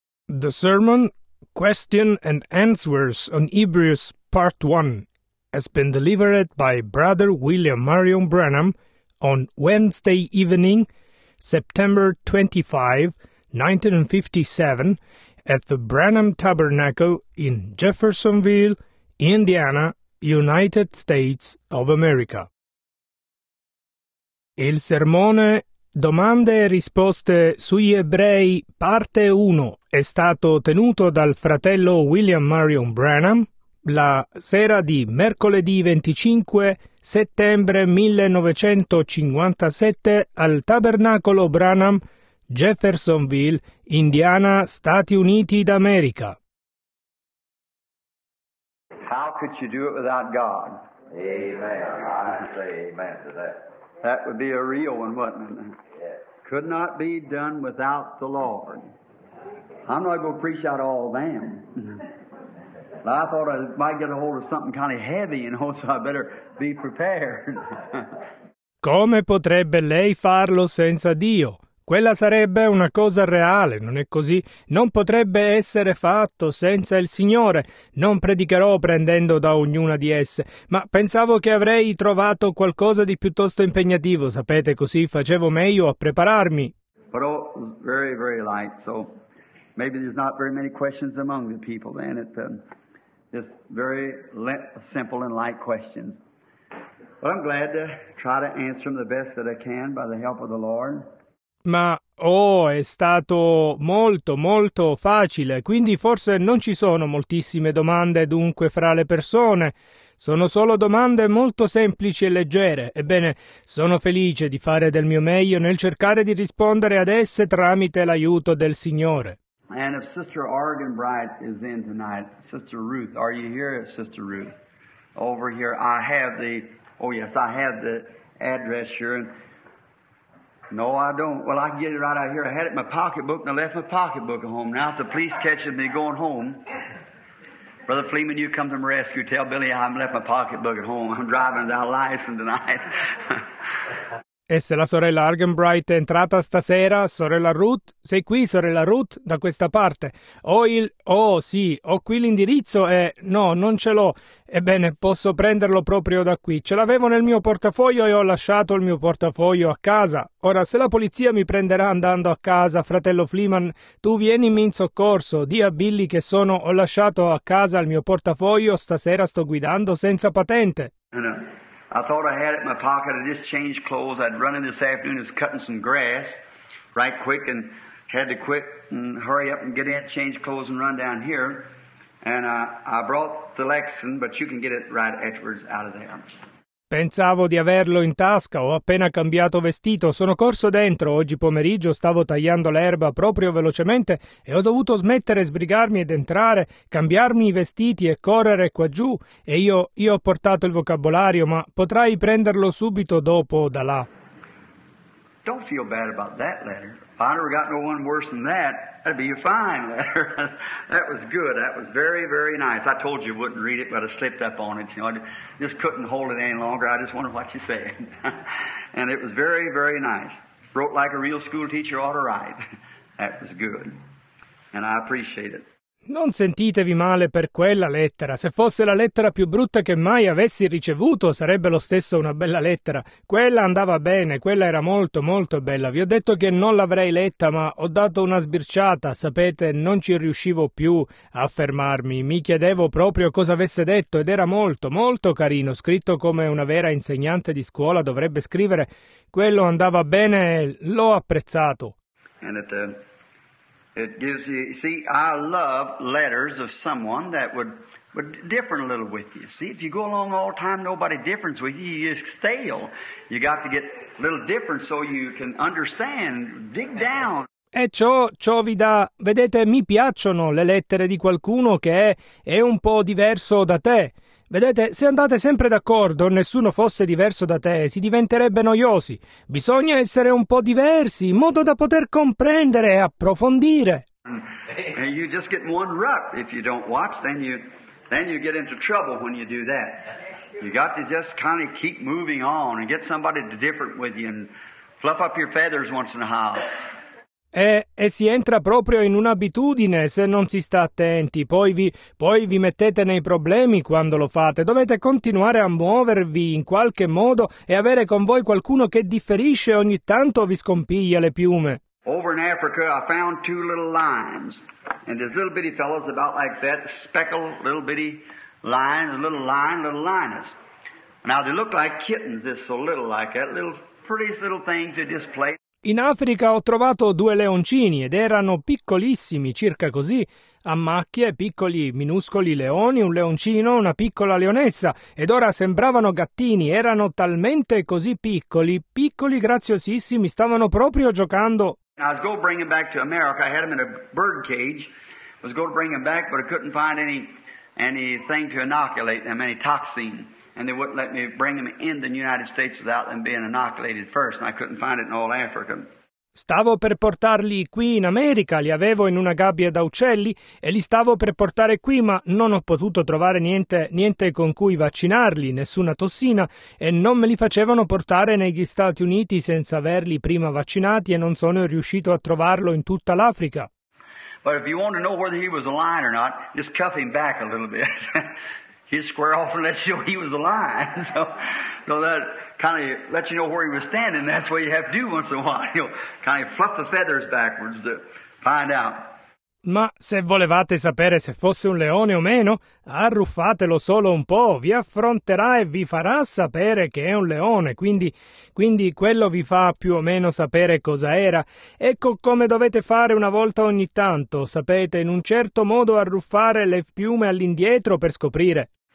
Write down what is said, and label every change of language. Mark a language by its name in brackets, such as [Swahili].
[English] The sermon, Question and Answers on Hebrews Part 1, has been delivered by Brother William Marion Branham on Wednesday evening, September 25, 1957, at the Branham Tabernacle in Jeffersonville, Indiana, United States of America. [Italian] Il sermone Domande e risposte sui Ebrei, parte 1, è stato tenuto dal fratello William Marion Branham la sera di mercoledì 25 settembre 1957 al Tabernacolo Branham, Jeffersonville, Indiana, Stati Uniti d'America. [English] How could you do it without God? Amen. I say amen to that. That would be a real one, wouldn't it? Yes. Could not be done without the Lord. I'm not going to preach out all of them. I thought I might get a hold of something kind of heavy, you know, so I better be prepared. [Italian] Come potrebbe lei farlo senza Dio? Quella sarebbe una cosa reale, non è così? Non potrebbe essere fatto senza il Signore. Non predicherò prendendo da ognuna di esse, ma pensavo che avrei trovato qualcosa di piuttosto impegnativo, sapete, così facevo meglio a prepararmi. Però [English] very, very light, so maybe there's not very many questions among the people then. Just very simple and light questions. But I'm glad to try to answer them the best that I can by the help of the Lord. [Italian] Ma, oh, è stato molto, molto facile, quindi forse non ci sono moltissime domande dunque fra le persone. Sono solo domande molto semplici e leggere. Ebbene, sono felice di fare del mio meglio nel cercare di rispondere ad esse tramite l'aiuto del Signore. [English] And if Sister Oregon Bright is in tonight, Sister Ruth, are you here, Sister Ruth? Over here, I have the address here. No, I don't. Well, I can get it right out here. I had it in my pocketbook, and I left my pocketbook at home. Now, if the police catches me going home, Brother Fleeman, you come to my rescue. Tell Billy I've left my pocketbook at home. I'm driving without a license tonight. [Italian] E se la sorella Argenbright è entrata stasera, sorella Ruth? Sei qui, sorella Ruth? Da questa parte. Ho qui l'indirizzo e... No, non ce l'ho. Ebbene, posso prenderlo proprio da qui. Ce l'avevo nel mio portafoglio e ho lasciato il mio portafoglio a casa. Ora, se la polizia mi prenderà andando a casa, fratello Fleeman, tu vienimi in soccorso. Di a Billy che sono... Ho lasciato a casa il mio portafoglio, stasera sto guidando senza patente. No. [English] I thought I had it in my pocket. I just changed clothes. I'd run in this afternoon. I was cutting some grass right quick and had to quit and hurry up and get in, change clothes and run down here. And I brought the Lexan, but you can get it right afterwards out of there. [Italian] Pensavo di averlo in tasca, ho appena cambiato vestito, sono corso dentro, oggi pomeriggio stavo tagliando l'erba proprio velocemente e ho dovuto smettere, sbrigarmi ed entrare, cambiarmi i vestiti e correre qua giù. E io ho portato il vocabolario, ma potrai prenderlo subito dopo da là. [English] Don't feel bad about that letter. If I never got no one worse than that, that'd be a fine letter. That was good. That was very, very nice. I told you I wouldn't read it, but I slipped up on it. You know, I just couldn't hold it any longer. I just wondered what you said. And it was very, very nice. Wrote like a real school teacher ought to write. That was good. And I appreciate it. [Italian] Non sentitevi male per quella lettera. Se fosse la lettera più brutta che mai avessi ricevuto, sarebbe lo stesso una bella lettera. Quella andava bene, quella era molto, molto bella. Vi ho detto che non l'avrei letta, ma ho dato una sbirciata, sapete, non ci riuscivo più a fermarmi. Mi chiedevo proprio cosa avesse detto ed era molto, molto carino, scritto come una vera insegnante di scuola dovrebbe scrivere. Quello andava bene, l'ho apprezzato. [English] It gives you, see, I love letters of someone that would differ a little with you. See, if you go along all the time, nobody differs with you, you're stale. You got to get a little different so you can understand, dig down. [Italian] E ciò vi dà, vedete, mi piacciono le lettere di qualcuno che è un po' diverso da te. Vedete, se andate sempre d'accordo, nessuno fosse diverso da te, si diventerebbe noiosi. Bisogna essere un po' diversi, in modo da poter comprendere e approfondire. [English] And you just get one rut. If you don't watch, then you get into trouble when you do that. You got to just kind of keep moving on and get somebody different with you and fluff up your feathers once in a while. [Italian] E si entra proprio in un'abitudine se non si sta attenti. Poi vi mettete nei problemi quando lo fate. Dovete continuare a muovervi in qualche modo e avere con voi qualcuno che differisce ogni tanto vi scompiglia le piume. [English] Over in Africa I found two little lions. And these little bitty fellows about like that, speckled little bitty lions, little lion, little lioness. Now they look like kittens, this so little like that, little prettiest little things they just play. [Italian] In Africa ho trovato due leoncini ed erano piccolissimi, circa così, a macchie, piccoli, minuscoli leoni, un leoncino, una piccola leonessa, ed ora sembravano gattini, erano talmente così piccoli, piccoli, graziosissimi, stavano proprio giocando. [English] I was going to bring them back to America, I had them in a bird cage, I was going to bring them back, but I couldn't find anything to inoculate them, any toxin. And they wouldn't let me bring them in the United States without them being inoculated first, and I couldn't find it in all Africa. [Italian] Stavo per portarli qui in America, li avevo in una gabbia da uccelli e li stavo per portare qui, ma non ho potuto trovare niente con cui vaccinarli, nessuna tossina, e non me li facevano portare negli Stati Uniti senza averli prima vaccinati, e non sono riuscito a trovarlo in tutta l'Africa. [English] But if you want to know whether he was a lion or not, just cuff him back a little bit. He'd square off and let you know he was a lion. So that kind of lets you know where he was standing. That's what you have to do once in a while. You'll kind of fluff the feathers backwards to find out. [Italian] Ma se volevate sapere se fosse un leone o meno, arruffatelo solo un po', vi affronterà e vi farà sapere che è un leone, quindi quello vi fa più o meno sapere cosa era. Ecco come dovete fare una volta ogni tanto, sapete, in un certo modo arruffare le piume all'indietro per scoprire.